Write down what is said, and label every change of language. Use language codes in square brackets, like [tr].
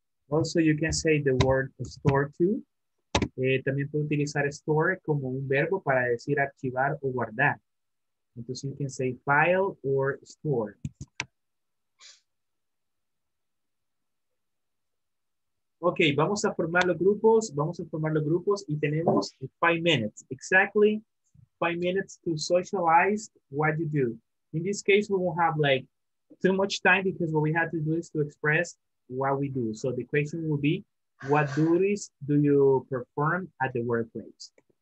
[en] Also, you can say the word store too. [es] También puedo utilizar store como un verbo para decir archivar o guardar. [en] Entonces, you can say file or store. [es] Okay, vamos a formar los grupos. Vamos a formar los grupos y tenemos [en] 5 minutes. Exactly 5 minutes to socialize what you do. In this case, we won't have like too much time because what we have to do is to express what we do. So the question will be, what duties do you perform at the workplace?